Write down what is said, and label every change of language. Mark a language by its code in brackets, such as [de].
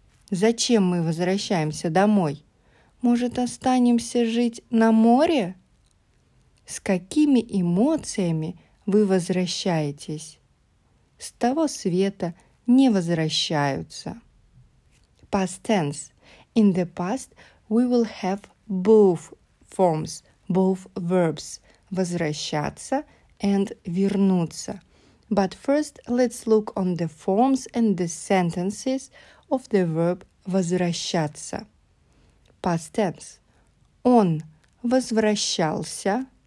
[ru] Зачем мы возвращаемся домой? Может, останемся жить на море? С какими эмоциями вы возвращаетесь? С того света не возвращаются. [en] Past tense. In the past we will have both forms, both verbs. [ru] Возвращаться and вернуться. [en] But first let's look on the forms and the sentences of the verb возвращаться. Past tense. [ru] Он возвращался.